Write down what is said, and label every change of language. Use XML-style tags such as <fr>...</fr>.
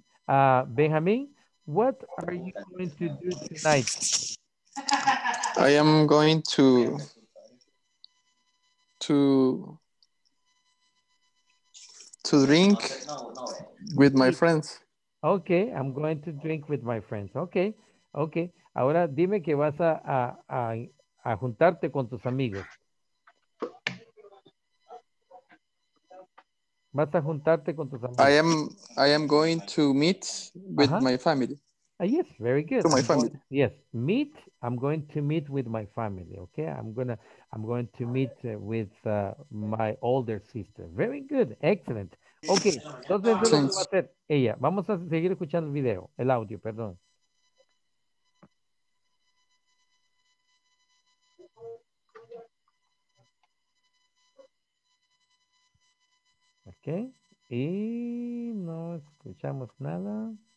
<en>Benjamin, what are you going to do tonight? I am going to drink with my friends. Okay. I'm going to drink with my friends. Okay.</en> <es>Ahora dime que vas a juntarte con tus amigos. Vas a juntarte con tus amigos.</es> <en>I am going to meet with my family. Yes, very good. To my family. Yes, meet. I'm going to meet with my family. Okay, I'm going to meet with my older sister. Very good. Excellent.</en> <es>Okay, entonces eso es lo que va a hacer ella. Vamos a seguir escuchando el audio, perdón. Okay. Y no escuchamos nada.</es>